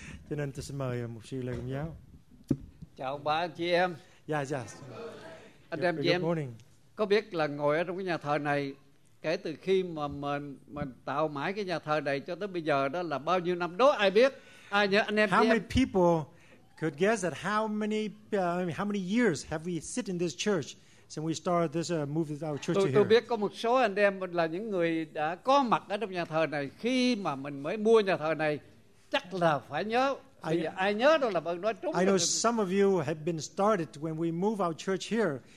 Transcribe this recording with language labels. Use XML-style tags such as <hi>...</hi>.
<vi>Cho nên tôi xin mời mục sư Lê Công Giáo. Chào ba anh chị em. Dạ dạ. Anh em chị em. Có biết là ngồi ở trong cái nhà thờ này, kể từ khi mà mình tạo mãi cái nhà thờ này cho tới bây giờ đó là bao nhiêu năm đó, ai biết? Ai nhớ anh em?</vi> <en>How many people could guess that how many years have we sit in this church since we started this move our church here?</en> <vi>Tôi biết có một số anh em là những người đã có mặt ở trong nhà thờ này khi mà mình mới mua nhà thờ này, chắc là phải nhớ. Bây giờ ai nhớ đâu là bạn nói trúng.</vi> <en>I know some of you have been started when we move our church here.</en>